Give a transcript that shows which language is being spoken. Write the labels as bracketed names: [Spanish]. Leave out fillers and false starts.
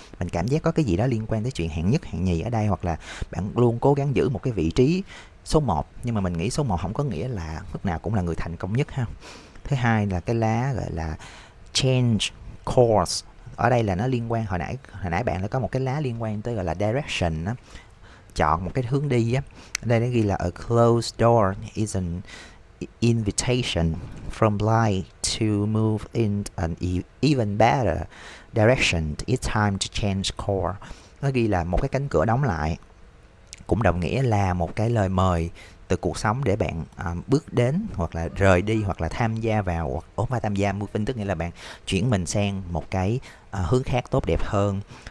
[Vietnamese] Mình cảm giác có cái gì đó liên quan tới chuyện hạng nhất hạng nhì ở đây, hoặc là bạn luôn cố gắng giữ một cái vị trí số 1, nhưng mà mình nghĩ số 1 không có nghĩa là lúc nào cũng là người thành công nhất ha. Thứ hai là cái lá gọi là change course. Ở đây là nó liên quan, hồi nãy bạn đã có một cái lá liên quan tới gọi là direction đó. Chọn một cái hướng đi á. Đây nó ghi là [English] a closed door is an invitation from light to move in an even better direction. It's time to change course. [Vietnamese] Nó ghi là một cái cánh cửa đóng lại cũng đồng nghĩa là một cái lời mời từ cuộc sống để bạn bước đến hoặc là rời đi hoặc là tham gia vào, hoặc ốm phải tham gia moving, tức nghĩa là bạn chuyển mình sang một cái hướng khác tốt đẹp hơn.